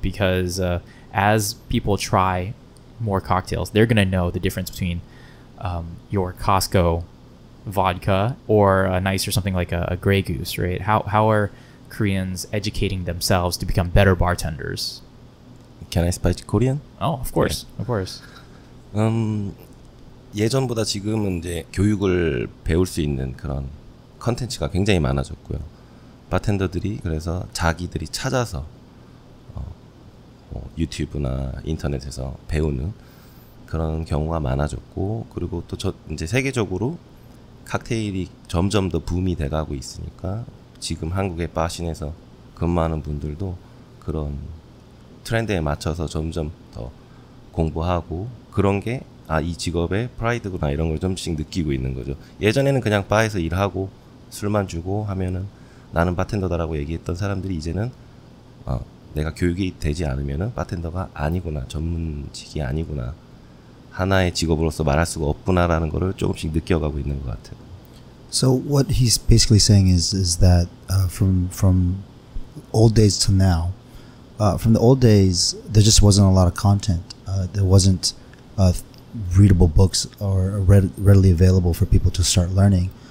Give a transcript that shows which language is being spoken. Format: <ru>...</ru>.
<en>Because as people try more cocktails, they're going to know the difference between your Costco vodka or a nice or something like a Grey Goose, right? How are Koreans educating themselves to become better bartenders? Can I speak Korean? Oh, of course. Yeah. Of course.</en> <ko>예전보다 지금은 이제 교육을 배울 수 있는 그런 콘텐츠가 굉장히 많아졌고요. 바텐더들이 그래서 자기들이 찾아서 유튜브나 인터넷에서 배우는 그런 경우가 많아졌고, 그리고 또 저 이제 세계적으로 칵테일이 점점 더 붐이 돼가고 있으니까 지금 한국의 바씬에서 근무하는 분들도 그런 트렌드에 맞춰서 점점 더 공부하고, 그런 게 아, 이 직업의 프라이드구나 이런 걸 좀씩 느끼고 있는 거죠. 예전에는 그냥 바에서 일하고 술만 주고 하면은 나는 바텐더다라고 얘기했던 사람들이 이제는 내가 교육이 되지 않으면은 바텐더가 아니구나, 전문직이 아니구나, 하나의 직업으로서 말할 수가 없구나라는 거를 조금씩 느껴가고 있는 것 같아요.</ko> <en>So what he's basically saying is that from old days to now, from the old days there just wasn't a lot of content. There wasn't readable books or readily available for people to start learning.</en>